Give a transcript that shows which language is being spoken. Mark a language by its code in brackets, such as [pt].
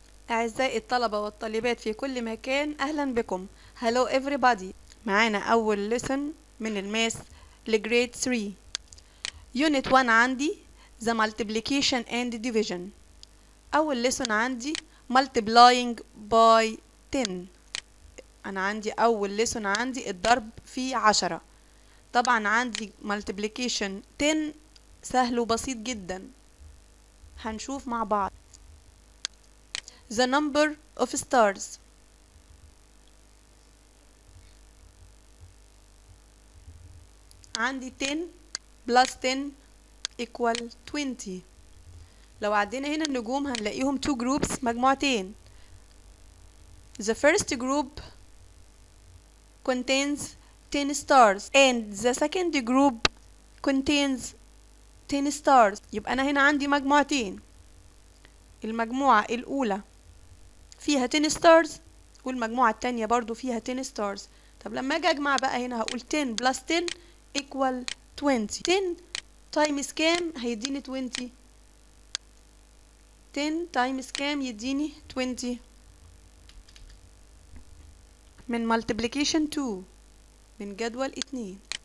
[ar] أعزائي الطلبة والطالبات في كل مكان، أهلا بكم. [en] Hello everybody. [ar] معانا أول lesson من الماس لجريد 3. [en] Unit 1 [ar] عندي [en] The Multiplication and Division. أول lesson عندي Multiplying by 10. [ar] أنا عندي أول lesson عندي الضرب في 10. طبعا عندي Multiplication 10 سهل وبسيط جدا. هنشوف مع بعض. [en] The number of stars. [ar] عندي [en] 10 plus 10 equal 20. [ar] لو عدينا هنا النجوم هنلاقيهم [en] two groups، [ar] مجموعتين. [en] The first group contains 10 stars and the second group contains 10 stars. [ar] يبقى أنا هنا عندي مجموعتين. المجموعة الأولى فيها 10 stars والمجموعة التانية برضو فيها 10 stars. طب لما اجي اجمع بقى هنا هقول [en] 10 plus 10 equal 20. [ar] 10 times كام هيديني 20؟ 10 times كام يديني 20 من multiplication 2 من جدول 2.